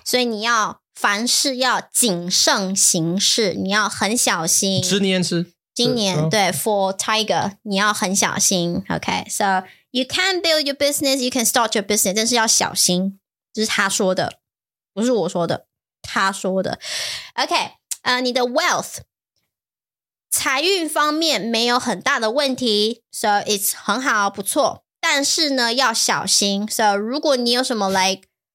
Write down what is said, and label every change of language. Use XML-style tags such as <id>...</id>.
<zh>所以你要凡事要谨慎行事，你要很小心。今年是今年、哦、对 ，for tiger， 你要很小心。</zh> <en>Okay, so you can build your business, you can start your business，</en> <zh>但是要小心。这是他说的，不是我说的，他说的。 Okay， 你的 wealth 财运方面没有很大的问题 ，so it's 很好，不错。但是呢，要小心。So 如果你有什么 like。</zh>